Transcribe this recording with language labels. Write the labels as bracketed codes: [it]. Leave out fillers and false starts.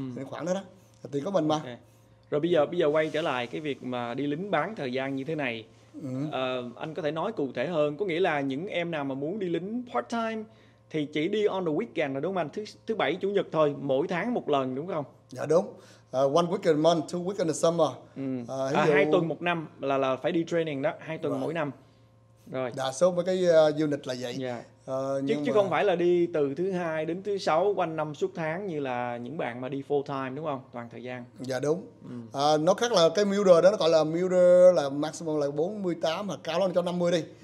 [vi] Khoảng đó đó, tiền của mình mà. Rồi bây giờ quay trở lại cái việc mà đi lính bán thời gian như thế này. Anh có thể nói cụ thể hơn, có nghĩa là những em nào mà muốn đi lính part time thì chỉ đi [en] on the weekend [vi] là đúng không anh? Thứ bảy chủ nhật thôi, mỗi tháng một lần đúng không? Dạ đúng. [en] One week in a month, 2 weeks in the summer. [vi] Hai tuần một năm là phải đi training đó, 2 tuần mỗi năm. Rồi. Đa số mấy cái unit là vậy. Chứ không phải là đi từ thứ hai đến thứ sáu quanh năm suốt tháng như là những bạn mà đi full time đúng không, toàn thời gian. Dạ đúng. Nó khác là cái Mulder đó, nó gọi là Mulder là maximum là 48 hoặc cao lên cho 50 đi.